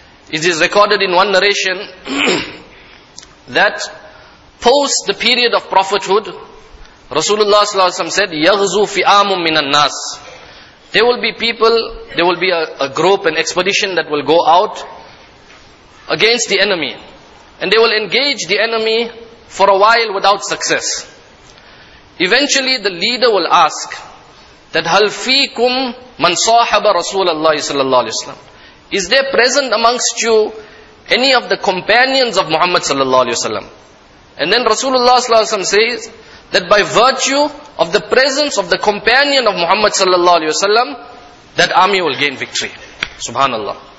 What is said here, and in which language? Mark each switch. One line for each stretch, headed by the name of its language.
English: It is recorded in one narration that post the period of prophethood, Rasulullah sallallahu alaihi wasallam said,
Arabic: "Yaghzu fi'amun minan nas."
English: There will be people. There will be a group, an expedition that will go out against the enemy. And they will engage the enemy for a while without success. Eventually the leader will ask that
Arabic: هَلْ فِيكُمْ مَنْ صَاحَبَ رَسُولَ اللَّهِ صَلَى اللَّهِ عَلَيْهِ وَسَلَّمْ.
English: Is there present amongst you any of the companions of Muhammad صلى الله عليه وسلم? And then Rasulullah صلى الله عليه وسلم says that by virtue of the presence of the companion of Muhammad صلى الله عليه وسلم, that army will gain victory. Subhanallah.